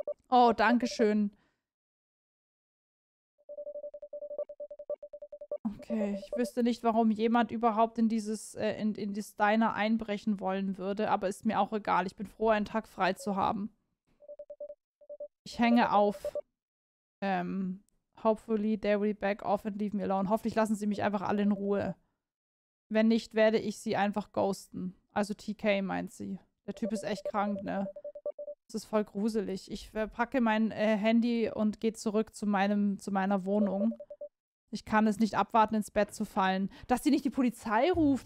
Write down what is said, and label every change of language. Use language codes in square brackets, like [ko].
[de] Oh, danke schön. Okay, ich wüsste nicht, warum jemand überhaupt in dieses in das Diner einbrechen wollen würde, aber ist mir auch egal. Ich bin froh, einen Tag frei zu haben. Ich hänge auf. [en] Hopefully they will back off and leave me alone. [de] Hoffentlich lassen sie mich einfach alle in Ruhe. Wenn nicht, werde ich sie einfach ghosten. Also TK, meint sie. Der Typ ist echt krank, ne? Das ist voll gruselig. Ich packe mein Handy und gehe zurück zu meiner Wohnung. Ich kann es nicht abwarten, ins Bett zu fallen. Dass sie nicht die Polizei ruft.